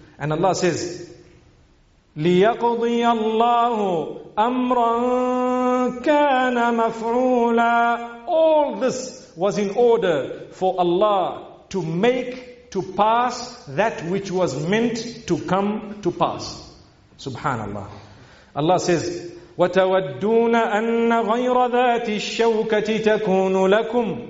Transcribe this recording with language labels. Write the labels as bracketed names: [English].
[English] And Allah says, [Arabic] لِيَقْضِيَ اللَّهُ أَمْرًا كَانَ مَفْعُولًا. [English] All this was in order for Allah to make, to pass that which was meant to come to pass. [Arabic] Subhanallah. [English] Allah says, [Arabic] وَتَوَدُّونَ أَنَّ غَيْرَ ذَاتِ الشَّوْكَةِ تَكُونُ لَكُمْ.